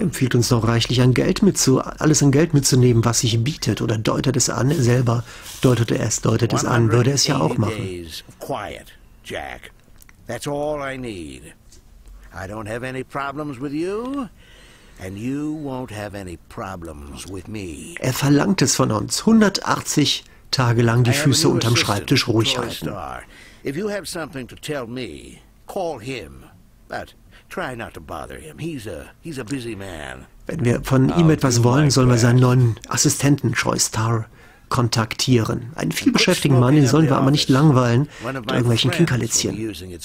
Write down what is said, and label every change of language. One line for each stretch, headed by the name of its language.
German: Empfiehlt uns noch reichlich an Geld alles an Geld mitzunehmen, was sich bietet, oder deutet es an, selber deutet es an, würde es ja auch machen.
English: Quiet, Jack. That's all I need. I don't have any problems with you, and you won't have any problems with me.
German: Er verlangt es von uns, 180 Tage lang die Füße unterm Schreibtisch ruhig halten.
English: If you have something to tell me, call him. But try not to bother him. He's a busy man.
German: Wenn wir von ihm etwas wollen, sollen wir seinen neuen Assistenten Troy Starr kontaktieren. Einen vielbeschäftigen Mann, den sollen wir aber nicht langweilen mit irgendwelchen Kinkerlitzchen.